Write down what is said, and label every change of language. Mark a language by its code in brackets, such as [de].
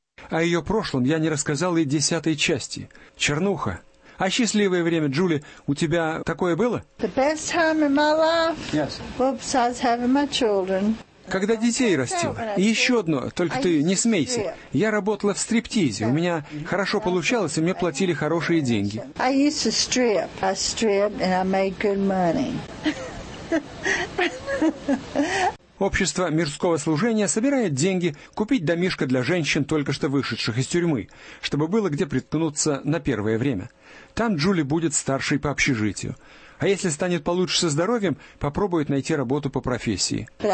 [ru] О ее прошлом я не рассказал и десятой части. Чернуха. А счастливое время, Джули, у тебя такое было? [en] The best time in my life. Yes. Well, besides having my children. [ru] Когда детей растила. И еще одно, только ты не смейся. Я работала в стриптизе. У меня хорошо получалось, и мне платили хорошие деньги. [en] I used to strip. I stripped and I made good money. [ru] Общество мирского служения собирает деньги купить домишко для женщин, только что вышедших из тюрьмы, чтобы было где приткнуться на первое время. Там Джули будет старшей по общежитию. А если станет получше со здоровьем, попробует найти работу по профессии.